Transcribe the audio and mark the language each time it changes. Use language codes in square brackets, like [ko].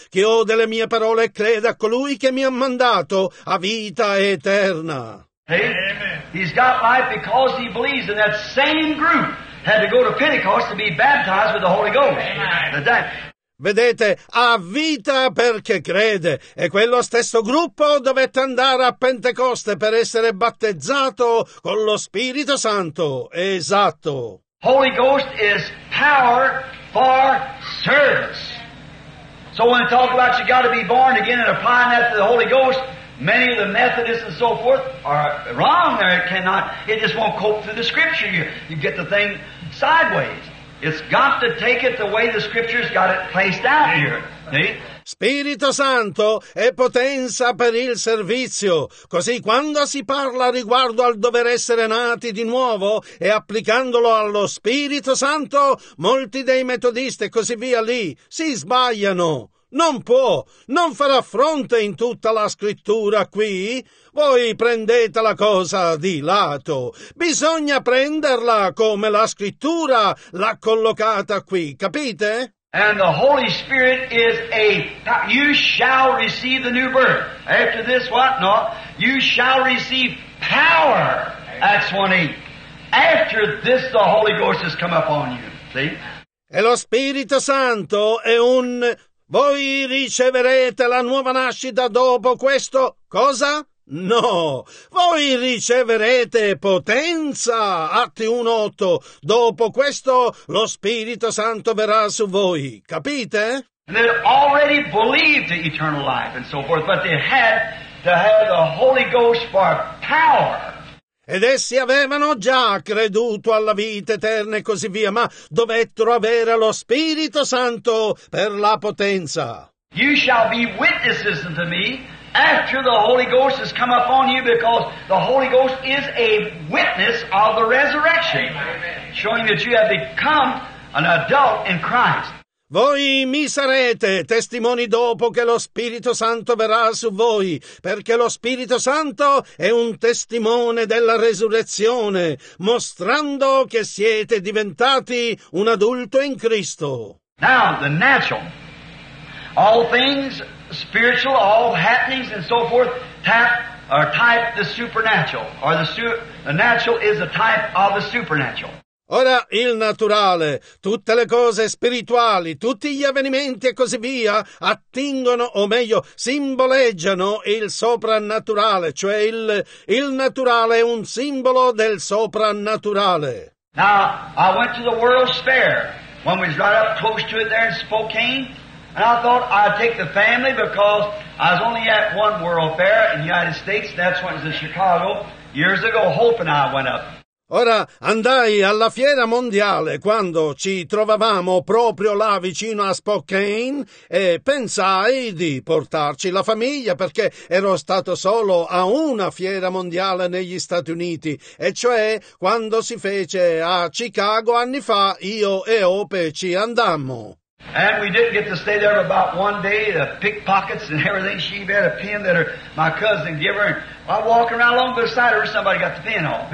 [it] Chi ode le mie parole e crede a colui che mi ha mandato ha vita eterna. [en] Hey, he's got life because he believes in that same group. Had to go to Pentecost to be baptized with the Holy Ghost. [it] Vedete, ha vita perché crede. E quello stesso gruppo dovette andare a Pentecoste per essere battezzato con lo Spirito Santo. Esatto. [en] Holy Ghost is power for service. So when I talk about you got to be born again and applying that to the Holy Ghost, many of the Methodists and so forth are wrong there. It cannot, it just won't cope through the Scripture. You get the thing sideways. It's got to take it the way the Scripture's got it placed out here. See? [it] Spirito Santo è potenza per il servizio. Così quando si parla riguardo al dover essere nati di nuovo e applicandolo allo Spirito Santo, molti dei metodisti e così via lì si sbagliano. Non può, non farà fronte in tutta la scrittura qui. Voi prendete la cosa di lato. Bisogna prenderla come la scrittura l'ha collocata qui, capite? [en] And the Holy Spirit is a... You shall receive the new birth. After this what? No. You shall receive power. Acts 1:8. After this the Holy Ghost has come upon you. See? [it] E lo Spirito Santo è un... Voi riceverete la nuova nascita dopo questo? Cosa? No! Voi riceverete potenza! Atti 1:8. Dopo questo lo Spirito Santo verrà su voi. Capite? [en] And they already believed in eternal life and so forth, but they had to have the Holy Ghost for power. [it] Ed essi avevano già creduto alla vita eterna e così via, ma dovettero avere lo Spirito Santo per la potenza. [en] You shall be witnesses unto me after the Holy Ghost has come upon you, because the Holy Ghost is a witness of the resurrection, showing that you have become an adult in Christ. [it] Voi mi sarete testimoni dopo che lo Spirito Santo verrà su voi, perché lo Spirito Santo è un testimone della resurrezione, mostrando che siete diventati un adulto in Cristo. [en] Now, the natural, all things spiritual, all happenings and so forth, tap or type the supernatural, or the natural is a type of the supernatural. [it] Ora il naturale, tutte le cose spirituali, tutti gli avvenimenti e così via, attingono, o meglio, simboleggiano il soprannaturale, cioè il naturale è un simbolo del soprannaturale. [en] Now, I went to the World's Fair, when we was right up close to it there in Spokane, and I thought I'd take the family because I was only at one World Fair in the United States, that's when it was in Chicago, years ago, Hope and I went up. [it] Ora, andai alla fiera mondiale quando ci trovavamo proprio là vicino a Spokane e pensai di portarci la famiglia perché ero stato solo a una fiera mondiale negli Stati Uniti, e cioè quando si fece a Chicago anni fa, io e Ope ci andammo. [en] And we didn't get to stay there about one day, the pickpockets and everything. She had a pin that her, my cousin gave her, and while walking around along beside her, somebody got the pin off.